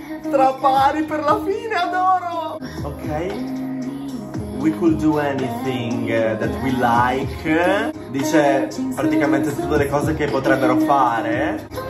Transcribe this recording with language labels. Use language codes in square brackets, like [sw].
[it] Tra pari per la fine, adoro. Ok. [en] We could do anything that we like. [it] Dice praticamente tutte le cose che potrebbero fare.